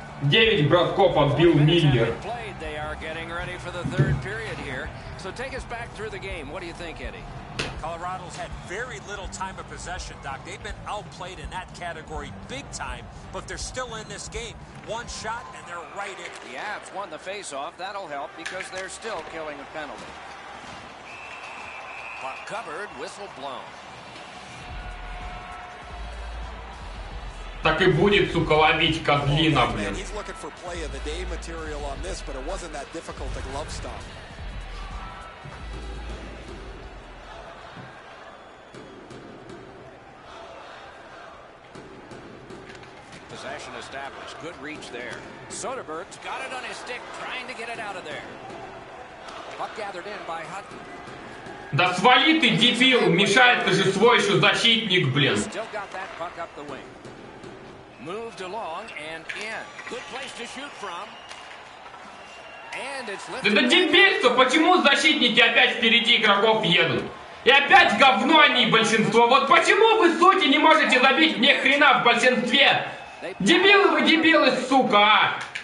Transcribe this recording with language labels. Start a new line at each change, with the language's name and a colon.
Russian: Девять бросков отбил Миллер.
English: They are getting ready for the third period here. So take us back through the game. What do you think, Eddie? Colorado's had very little time of possession, Doc. They've been outplayed in that category big time, but they're still in this game. One shot, and they're right in. The Avs won the faceoff. That'll help because they're still killing a penalty. Puck covered, whistle blown.
Russian: Так и будет, сука, ловить козлина, блин.
English: He's looking for play of the day material on this, but it wasn't that difficult to glove stop. Possession established. Good reach there. Soderberg's got it on his stick, trying to get it out of there. Puck gathered in by Hutton.
Russian: Да свали ты, дебил! Мешает, ты же свой еще защитник, блин.
English: Still got that puck up the wing. Moved along and in. Good place to shoot from. And it's lifted.
Russian: Да дебильство! Почему защитники опять впереди игроков едут? И опять говно они, большинство! Вот почему вы, суки, не можете забить мне хрена в большинстве? Дебилы вы, дебилы, сука!